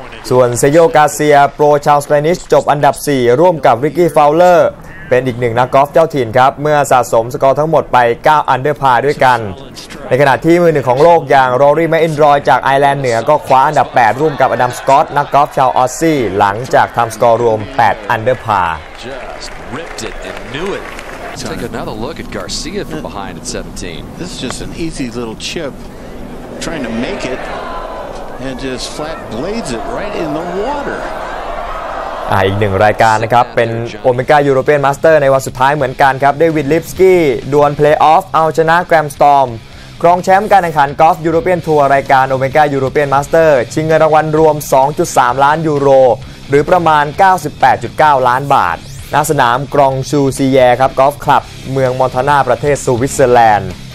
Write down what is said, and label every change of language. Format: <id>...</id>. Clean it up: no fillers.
<th>ส่วนเซโยกาเซียโปรชาวสเปนิชจบอันดับ4ร่วมกับริกกี้ฟาวเลอร์เป็นอีก1นักกอล์ฟเจ้าถิ่นครับเมื่อสะสมสกอร์ทั้งหมดไป9อันเดอร์พาร์ด้วยกันในขณะที่มือ1ของโลกอย่างรอรี่แมคอินรอยจากไอร์แลนด์เหนือก็คว้าอันดับ8ร่วมกับอดัมสกอตนักกอล์ฟชาวออสซี่หลังจากทำสกอร์รวม8อันเดอร์พาร์</th> <en>Ripped it and knew it. Take another look at Garcia from behind at 17. This is just an easy little chip, trying to make it, and just flat blades it right in the water.</en> <th>อีกหนึ่งรายการนะครับเป็นโอเมก้ายูโรเปียนมาสเตอร์ในวันสุดท้ายเหมือนกันครับเดวิดลิฟสกี้ดวลเพลย์ออฟเอาชนะแกรมสตอมครองแชมป์การแข่งขันกอล์ฟยูโรเปียนทัวร์รายการโอเมก้ายูโรเปียนมาสเตอร์ชิงเงินรางวัลรวม 2.3 ล้านยูโรหรือประมาณ 98.9 ล้านบาทณสนามกรองชูซีแยครับกอล์ฟคลับเมืองมอนทานาประเทศสวิตเซอร์แลนด์</th>